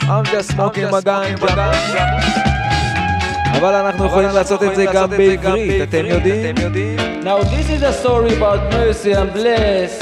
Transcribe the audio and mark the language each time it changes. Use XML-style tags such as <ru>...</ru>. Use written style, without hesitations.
<en>I'm just smoking my ganja.</en> <he>אבל אנחנו יכולים לעשות את זה גם בעברית, אתם יודעים?</he> <en>Now this is a story about mercy and bless.</en>